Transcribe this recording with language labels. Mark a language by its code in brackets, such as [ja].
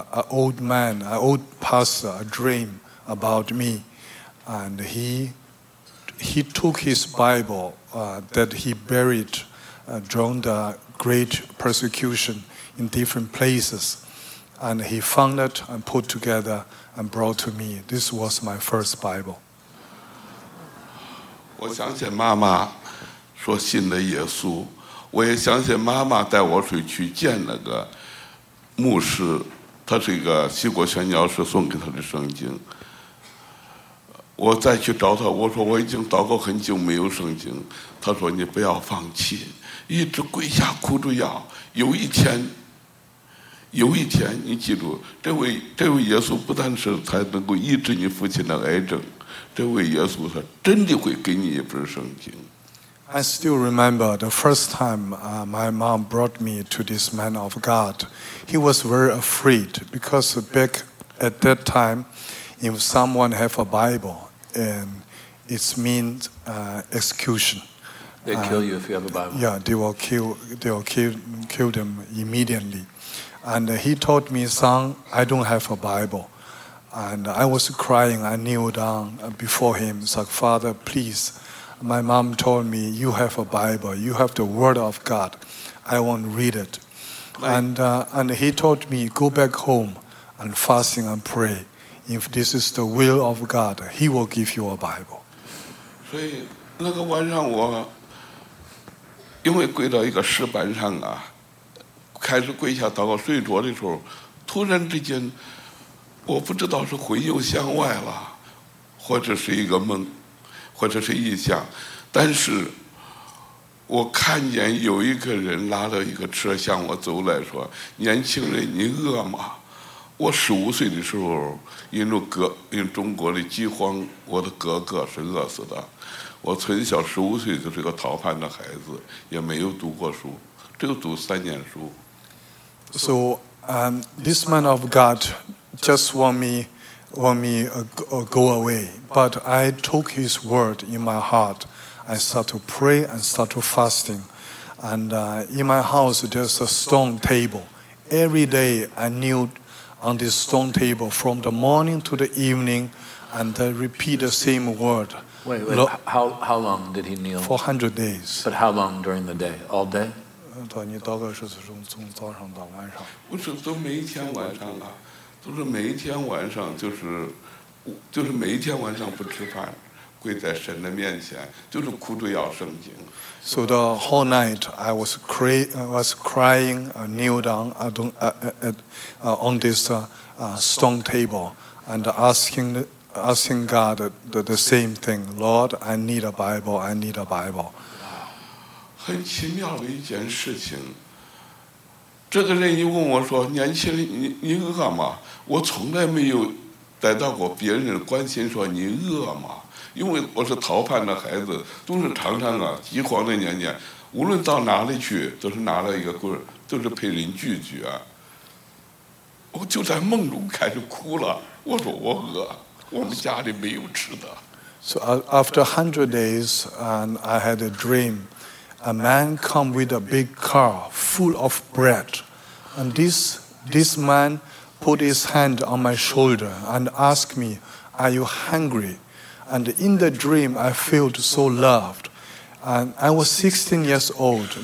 [en] An old pastor, a dream about me, and he took his Bible that he buried during the great persecution in different places, and he found it and put together and brought to me. This was my first Bible. [zh] 我相信妈妈说信了耶稣，我也相信妈妈带我去见那个牧师。他是一个西国宣教士送给他的圣经，我再去找他，我说我已经祷告很久没有圣经，他说你不要放弃，一直跪下哭着要，有一天你记住，这位耶稣不但是才能够医治你父亲的癌症，这位耶稣他真的会给你一本圣经。 [en] I still remember the first time my mom brought me to this man of God. He was very afraid because back at that time, if someone have a Bible, and it means execution. They kill you if you have a Bible. Yeah, they will kill them immediately. And he told me, son, I don't have a Bible. And I was crying. I kneeled down before him. It's like, Father, please. My mom told me, you have a Bible, you have the Word of God, I want to read it. And he told me, go back home and fasting and pray. If this is the will of God, he will give you a Bible. [zh] 所以那个晚上我因为跪到一个石板上啊，开始跪下祷告睡着的时候，突然之间我不知道是魂又向外了，或者是一个梦。或者是异象，但是我看见有一个人拉了一个车向我走来说，年轻人你饿吗？我15岁的时候因中国的饥荒，我的哥哥是饿死的，我从小15岁就是个逃犯的孩子，也没有读过书，只有读3年书。 [en] So this man of God just want me go away. But I took his word in my heart. I start to pray and start to fasting. And in my house, there's a stone table. Every day, I kneel on this stone table from the morning to the evening, and I repeat the same word. Wait, wait, how long did he kneel? 400 days. But how long during the day? All day? [zh] 对，你祷告十四钟，从早上到晚上。不是，都每一天晚上啊。就是每一天晚上，就是每一天晚上不吃饭，跪在神的面前，就是哭着要圣经。 [en] So the whole night I was crying, kneel down on this stone table and asking God the same thing. Lord, I need a Bible. I need a Bible. [zh] 很奇妙的一件事情。这个人一问我说：“年轻人，你饿吗？” 我从来没有得到过别人的关心，说你饿吗？因为我是逃犯的孩子，都是常常啊饥荒的年年，无论到哪里去，都是拿了一个棍，都是被人拒绝。我就在梦中开始哭了，我说我饿，我们家里没有吃的。 [en] So after 100 days, and I had a dream, a man come with a big car full of bread, and this man put his hand on my shoulder and asked me, "Are you hungry?" And in the dream, I felt so loved. And I was 16 years old.